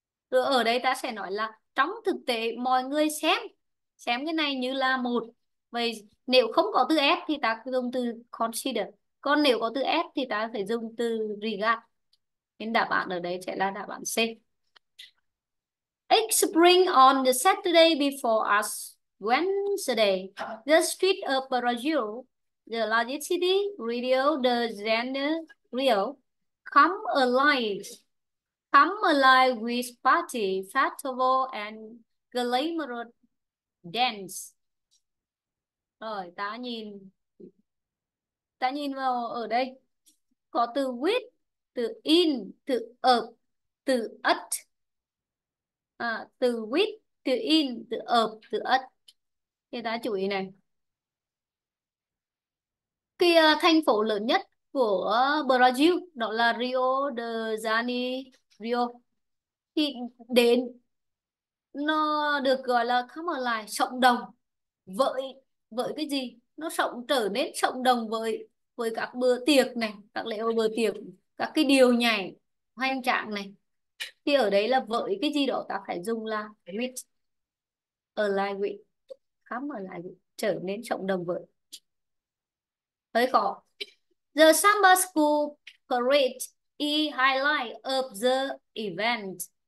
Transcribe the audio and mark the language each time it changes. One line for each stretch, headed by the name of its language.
Vietnamese: Rồi ở đây ta sẽ nói là trong thực tế mọi người xem cái này như là một. Vậy nếu không có từ S thì ta dùng từ consider. Còn nếu có từ S thì ta phải dùng từ regard. Nên đáp án ở đây sẽ là đáp án C.
English: Each spring on the Saturday before Ash Wednesday, the street of Brazil, the largest city, Rio de Janeiro, come alive with party, festival and glamorous dance.
Vietnamese: Rồi ta nhìn vào ở đây có từ with, từ in, từ up, từ at. Từ with, từ in, từ up, từ at. Thì ta chú ý này. Cái thành phố lớn nhất của Brazil đó là Rio de Janeiro. Thì đến nó được gọi là come alive, sống động với cái gì? Nó sống trở nên sống động với các bữa tiệc này, các lễ hội bữa tiệc, các cái điều nhảy hoành tráng này. Thì ở đấy là với cái gì đó ta phải dùng là with, align with, khám ở lại with, trở nên sống động với. Hơi khó.
English: The Samba School Parade is highlight of the event.